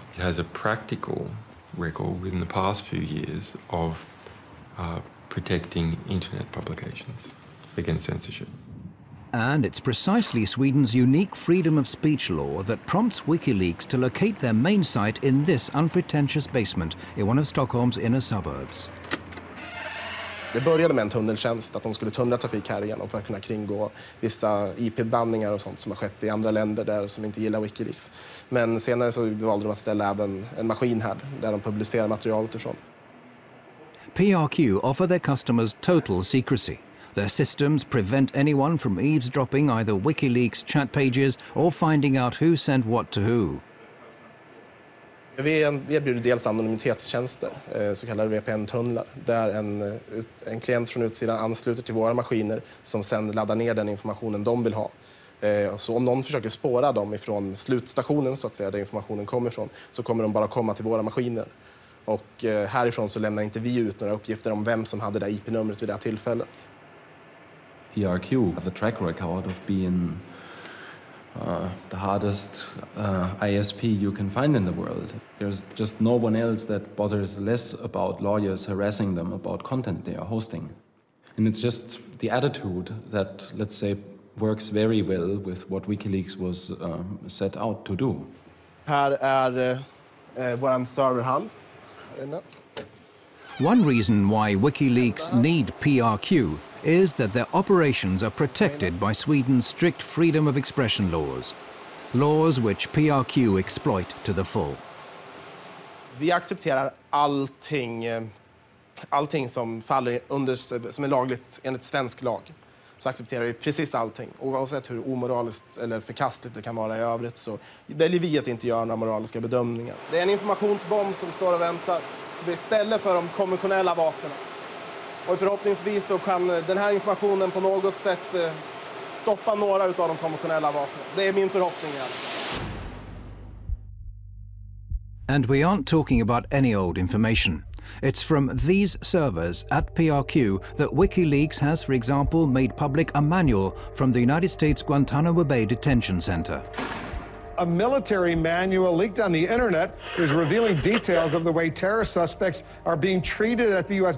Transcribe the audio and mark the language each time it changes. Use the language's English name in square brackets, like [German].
[English] It has a practical record within the past few years of protecting internet publications against censorship. And it's precisely Sweden's unique freedom of speech law that prompts WikiLeaks to locate their main site in this unpretentious basement in one of Stockholm's inner suburbs. [Swedish] Det började med en tunneltjänst, att de skulle tunnla trafik här igenom för att kunna kringgå vissa IP-bandningar och sånt som har skett I andra länder där som inte gillar WikiLeaks. Men senare så valde de att ställa även en maskin här där de publicerar materialet ifrån. [English] PRQ offer their customers total secrecy. Their systems prevent anyone from eavesdropping either WikiLeaks chat pages or finding out who sent what to who. [Swedish] Vi erbjuder dels anonymitetstjänster, så kallade VPN-tunnlar, där en klient från utsidan ansluter till våra maskiner som sen laddar ner den informationen de vill ha. Så om någon försöker spåra dem ifrån slutstationen, så att säga, där informationen kommer ifrån, så kommer de bara komma till våra maskiner. Och härifrån så lämnar inte vi ut några uppgifter om vem som hade det IP-numret vid det här tillfället. [English] PRQ have a track record of being the hardest ISP you can find in the world. There's just no one else that bothers less about lawyers harassing them about content they are hosting. And it's just the attitude that, let's say, works very well with what WikiLeaks was set out to do. [Swedish] Här är vår serverhall. [English] One reason why WikiLeaks need PRQ is that their operations are protected by Sweden's strict freedom of expression laws, laws which PRQ exploit to the full. [Swedish] Vi accepterar allting som faller under, som är lagligt enligt svensk lag. Så accepterar vi precis allting, oavsett hur omoraliskt eller förkastligt det kan vara I övrigt, så väljer vi att inte göra några moraliska bedömningar. Det är en informationsbomb som står och väntar istället för de konventionella vapnen. Och förhoppningsvis så kan den här informationen på något sätt stoppa några av de konventionella vapnen. Det är min förhoppning. [English] And we aren't talking about any old information. It's from these servers at PRQ that WikiLeaks has, for example, made public a manual from the United States Guantanamo Bay Detention Center. A military manual leaked on the internet is revealing details of the way terror suspects are being treated at the U.S.